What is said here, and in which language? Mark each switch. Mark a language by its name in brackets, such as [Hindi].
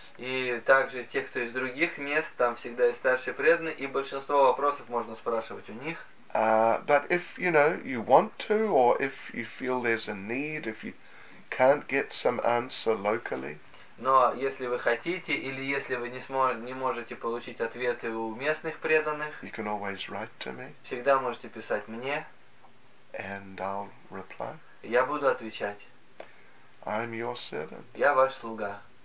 [Russian] И также тех, кто из других мест, там всегда есть старшие преданные, и большинство вопросов можно спрашивать у них. [English] But if you know you want to, or if you feel there's a need, if you can't get some answer locally. [Russian] Но если вы хотите или если вы не можете получить ответы у местных преданных, [English] you can always write to me, [Russian] всегда можете писать мне, [English] and I'll reply. [Russian] Я буду отвечать. [English] I'm your servant. [Russian] Я ваш слуга.